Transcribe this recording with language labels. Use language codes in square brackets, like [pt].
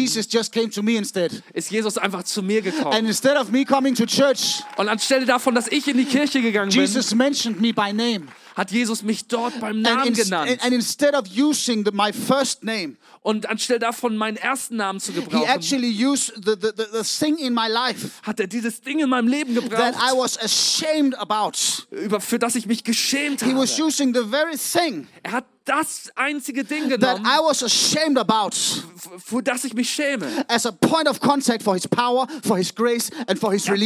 [en] Jesus just came to me instead. [de] Ist Jesus einfach zu mir gekommen. [en] And instead of me coming to church, [de] und anstelle davon, dass ich in die Kirche gegangen [en] Jesus [de] bin, [en] mentioned me by name. [de] Hat Jesus mich dort beim Namen genannt. [en] And instead of using my first name, [de] und anstelle davon, meinen ersten Namen zu gebrauchen, [en] he actually used the thing in my life, [de] hat er dieses Ding in meinem Leben gebraucht, [en] that I was ashamed about. [de] Für das ich mich geschämt [en] he [de] habe. [en] Was using the very thing, [de] er hat das einzige Ding genommen, that I was ashamed about, für das ich mich schäme, [en] as a point of contact for his power, for his grace and for his release.